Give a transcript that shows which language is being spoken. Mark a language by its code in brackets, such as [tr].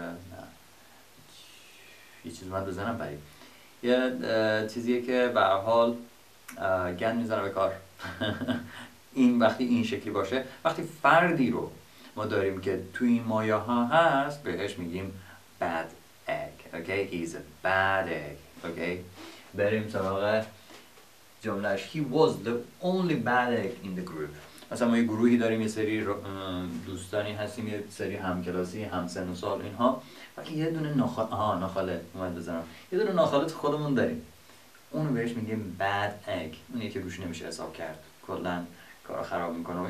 [fa] نه یه چیز من بزنم برای یه چیزیه که به هر حال گند میزنه به کار. این وقتی این شکلی باشه، وقتی فردی رو ما داریم که توی این مایه ها هست بهش میگیم bad egg. [en] Okay, he's a bad egg. [fa] Okay, بریم سراغ جملهش. [en] He was the only bad egg in the group. [fa] مثلا ما یه گروهی داریم، یه سری دوستانی هستیم، یه سری همکلاسی، همسن و سال اینها، وقتی یه دونه نخاله اومد بزنم، یه دونه نخاله تو خودمون داریم، اونو بهش میگیم bad egg، اونی که روش نمیشه حساب کرد، کلن کارو خراب میکنه.